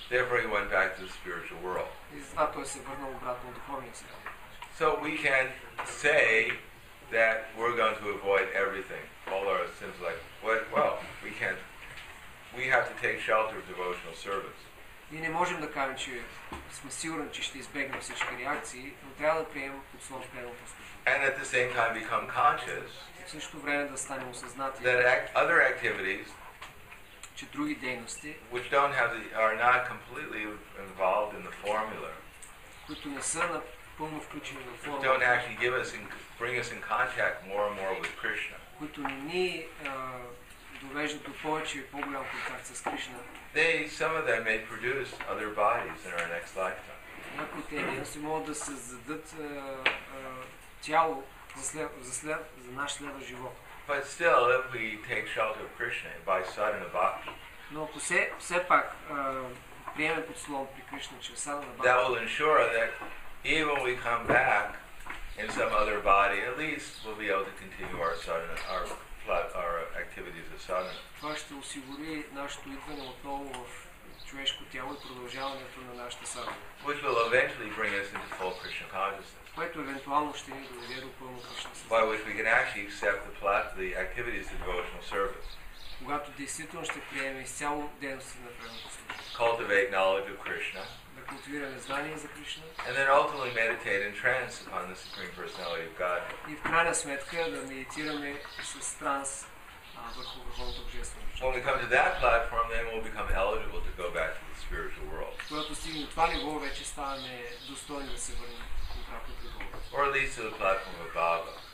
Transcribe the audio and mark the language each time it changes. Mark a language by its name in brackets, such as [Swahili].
[English] Therefore, he went back to the spiritual world. [Bulgarian] И затова той се върнал обратно в духовния свят. [English] So we can say that we're going to avoid everything, all our sins, like what? Well, we can't. We have to take shelter of devotional service. [Bulgarian] Ние не можем да кажем, че сме сигурни, че ще избегнем всички реакции, но трябва да приемем под служебното служение. [English] And at the same time become conscious. [Bulgarian] В същото време да станем осъзнати. [English] That other activities, [Bulgarian] че други дейности, [English] which don't have the, are not completely involved in the formula, [Bulgarian] които не са напълно включени в формулата, [English] don't actually give us and bring us in contact more and more with Krishna. [Bulgarian] Които ни довеждат до повече и по-голям контакт с Кришна. [English] Some of them may produce other bodies in our next lifetime. [Bulgarian] Някои от тези могат да създадат тяло за наш следващ живот. [English] But still, if we take shelter of Krishna by sadhana bhakti, [Bulgarian] но ако все пак приемем под слово при Кришна, че sadhana [English] bhakti, that will ensure that even we come back in some other body, at least we'll be able to continue our sadhana, our activities of sadhana. [Bulgarian] Това ще осигури нашето идване отново в човешко тяло и продължаването на нашата sadhana. [English] Which will eventually bring us into full Krishna consciousness. [Bulgarian] Което евентуално ще ни доведе до пълно Кришна съзнание. [English] By which we can actually accept the activities of devotional service. [Bulgarian] Когато действително ще приемем изцяло дейности на преданото служение. [English] Cultivate knowledge of Krishna. [Bulgarian] Да култивираме знание за Кришна. [English] And then ultimately meditate in trance upon the Supreme Personality of God. [Bulgarian] И в крайна сметка да медитираме с транс върху Върховното Божествено Личност. [English] When we come to that platform, then we'll become eligible to go back to the spiritual world. [Bulgarian] Когато стигнем това ниво, вече ставаме достойни да се върнем. [English] Or at least to the platform of Baba.